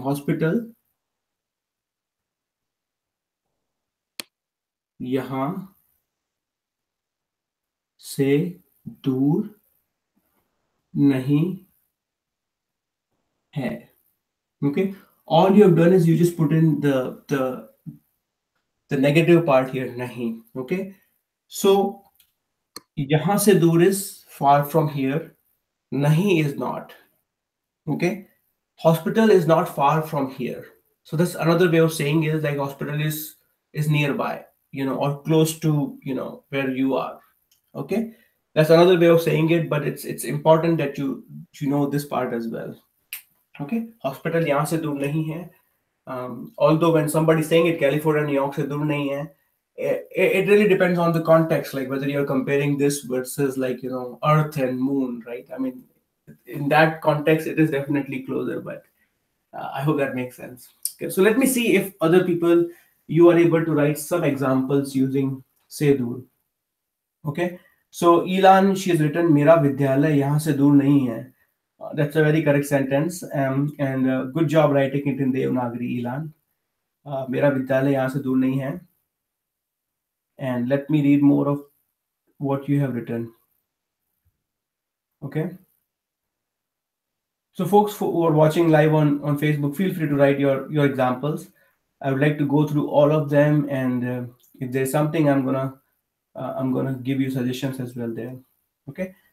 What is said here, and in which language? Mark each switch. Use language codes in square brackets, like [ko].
[hi] Hospital yaha se dur nahi hai. Okay. [en] All you have done is you just put in the negative part here, nahi. Okay. So [hi] यहां से दूर [en] Is far from here, नहीं is not, okay, hospital is not far from here. So this another way of saying is like hospital is near by, you know, और close to, you know, where you are. Okay, that's another way of saying it, but it's important that you know this part as well. Okay, [hi] hospital यहाँ से दूर नहीं है. [en] although when somebody saying it [hi] California New York से दूर नहीं है, [en] It really depends on the context, like whether you are comparing this versus like you know earth and moon, right? I mean in that context it is definitely closer, but I hope that makes sense. Okay, so let me see if other people you are able to write some examples using से दूर. Okay, so ईलान she is written, [hi] मेरा विद्यालय यहाँ से दूर नहीं है. [en] That's a very correct sentence, and good job writing it in Devanagari, Ilan. [hi] मेरा विद्यालय यहाँ से दूर नहीं है. [en] And let me read more of what you have written. Okay. So folks who are watching live on Facebook, feel free to write your examples. I would like to go through all of them, and if there's something, I'm gonna give you suggestions as well there. Okay.